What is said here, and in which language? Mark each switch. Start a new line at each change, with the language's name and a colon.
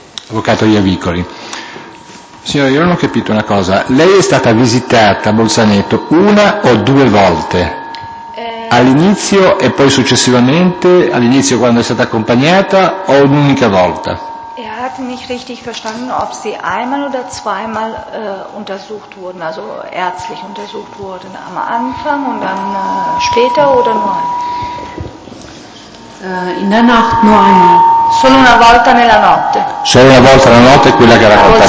Italian: Avvocato Iavicoli. Signora, io non ho capito una cosa. Lei è stata visitata a Bolzaneto una o due volte? All'inizio e poi successivamente, all'inizio quando è stata accompagnata o un'unica volta?
German: Nicht richtig verstanden, ob sie einmal oder zweimal untersucht wurden, also ärztlich untersucht wurden, am Anfang und dann später oder nur In der Nacht nur einmal.
Italian: Solo una volta nella notte. Solo una volta nella notte è quella che ha raccontato